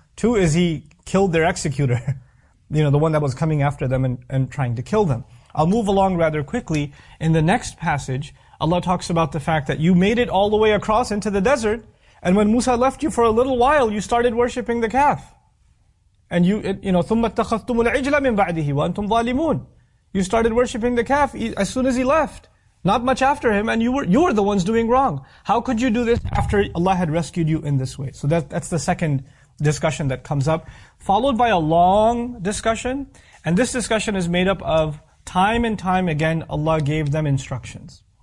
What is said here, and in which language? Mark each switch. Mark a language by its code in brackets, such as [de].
[en] Two is He killed their executor. You know, the one that was coming after them and trying to kill them. I'll move along rather quickly. In the next passage, Allah talks about the fact that you made it all the way across into the desert. And when Musa left you for a little while, you started worshipping the calf. And you know, [ar] ثُمَّ اتَّخَذْتُمُ الْعِجْلَ مِنْ بَعْدِهِ وَأَنْتُمْ ظَالِمُونَ. [en] You started worshipping the calf as soon as he left. Not much after him, and you were the ones doing wrong. How could you do this after Allah had rescued you in this way? So that's the second discussion that comes up, followed by a long discussion. And this discussion is made up of time and time again, Allah gave them instructions.